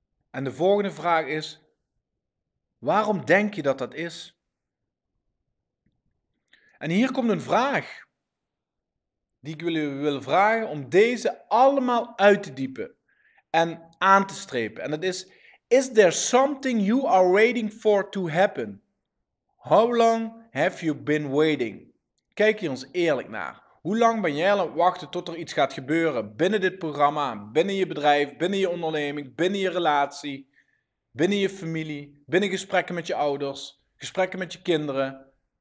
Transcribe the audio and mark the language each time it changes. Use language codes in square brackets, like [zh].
[nl] En de volgende vraag is, waarom denk je dat dat is? En hier komt een vraag die ik jullie wil vragen om deze allemaal uit te diepen en aan te strepen. En dat is, [en] is there something you are waiting for to happen? How long have you been waiting? [nl] Kijk hier eens eerlijk naar. Hoe lang ben jij al aan het wachten tot er iets gaat gebeuren binnen dit programma, binnen je bedrijf, binnen je onderneming, binnen je relatie, binnen je familie, binnen gesprekken met je ouders, gesprekken met je kinderen?